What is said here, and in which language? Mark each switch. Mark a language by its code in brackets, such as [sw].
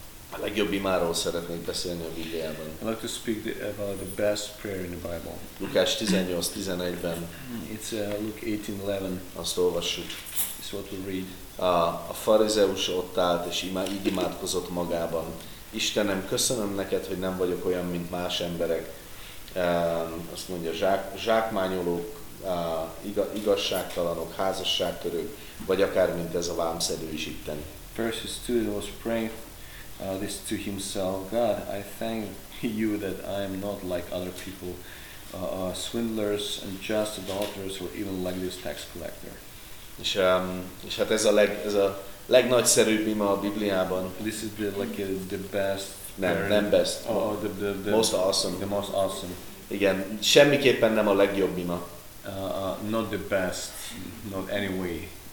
[hu] A legjobb imáról szeretnék beszélni a Bibliában. [en] I'd like to speak about the best prayer in the Bible. [hu] Lukás 18:11-ben. [en] It's Luke 18:11. [hu] Azt olvassuk. [en] It's what we read. [hu] A farizeus ott állt, és így imádkozott magában. Istenem, köszönöm neked, hogy nem vagyok olyan, mint más emberek. Azt mondja, zsákmányolók, igazságtalanok, házasságtörők, vagy akár mint ez a vámszedő is itten. [en] First his student was praying this to himself. God, I thank you that I am not like other people, swindlers, unjust adulterers, or even like this tax collector. [hu] És hát ez a legnagyszerűbb ima a Bibliában. [en] This is the best. [hu] Nem best. [en] Oh, the most awesome. The most awesome. [hu] Igen, semmiképpen nem a legjobb ima. [en] Not the best, not any way.